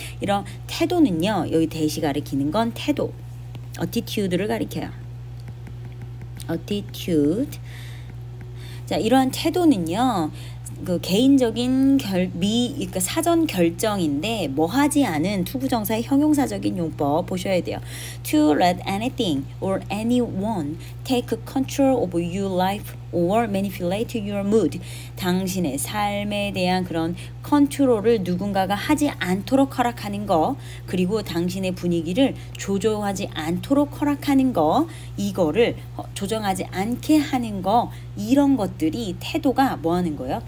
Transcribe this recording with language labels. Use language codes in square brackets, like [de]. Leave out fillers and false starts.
[ko] 이런 태도는요, 여기 대시 가리키는 건 태도, attitude를 가리켜요. attitude. 자, 이러한 태도는요, 그 개인적인 그러니까 사전 결정인데 뭐 하지 않은 투부정사의 형용사적인 용법 보셔야 돼요. [en] To let anything or anyone take control of your life or manipulate your mood. [ko] 당신의 삶에 대한 그런 컨트롤을 누군가가 하지 않도록 허락하는 거, 그리고 당신의 분위기를 조종하지 않도록 허락하는 거, 이거를 조정하지 않게 하는 거, 이런 것들이 태도가 뭐 하는 거예요?